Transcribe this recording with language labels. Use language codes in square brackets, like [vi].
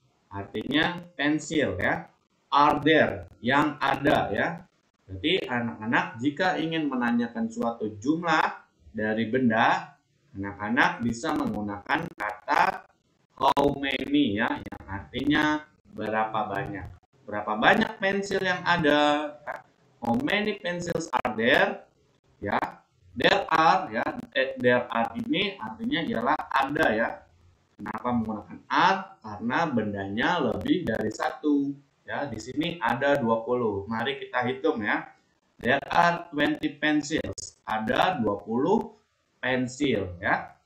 [id] Artinya pensil ya. [en] Are there, [id] yang ada ya. Jadi anak-anak jika ingin menanyakan suatu jumlah dari benda, anak-anak bisa menggunakan kata [en] how many [id] ya, yang artinya berapa banyak. Berapa banyak pensil yang ada? [en] How many pencils are there? Ya, there are ya. There are [id] ini artinya ialah ada ya. Kenapa menggunakan are? Karena bendanya lebih dari satu. Ya, di sini ada 20. Mari kita hitung ya. [en] There are 20 pencils. [id] Ada 20 pensil ya.